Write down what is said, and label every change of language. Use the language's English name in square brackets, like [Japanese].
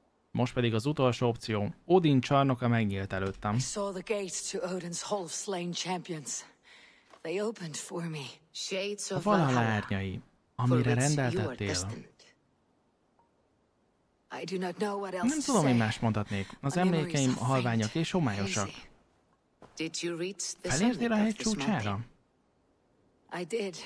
[Hungarian] Most pedig az utolsó opció. Odin csarnoka megnyílt előttem. [English] I saw the gates to Odin's hall of slain champions. They opened for me. Shades of Valhalla. [Hungarian] Árnyai, amire rendeltettél. [English] I do not know what else. [Hungarian] Nem tudom, mi más mondhatnék. Az emlékeim halványak és homályosak. [English] Did you reach the [Hungarian] Felértél a hegy csúcsára? [English] I did.